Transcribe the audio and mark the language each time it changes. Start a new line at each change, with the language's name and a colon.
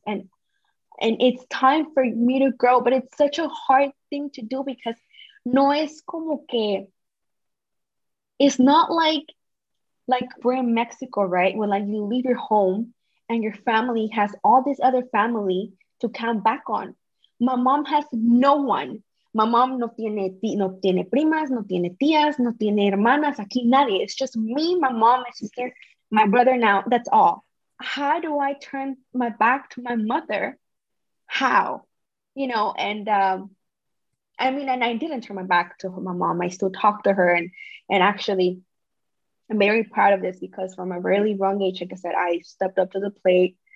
English: And it's time for me to grow. But it's such a hard thing to do, because
Spanish: no es como que,
English: it's not like we're in Mexico, right? When like you leave your home and your family has all this other family to count back on. My mom has no one. My mom
Spanish: no tiene primas, no tiene tías, no tiene hermanas, aquí nadie.
English: It's just me, my mom, my sister, my brother now, that's all. How do I turn my back to my mother? How? You know, and I mean, and I didn't turn my back to my mom. I still talk to her, and actually, I'm very proud of this, because from a really young age, like I said, I stepped up to the plate.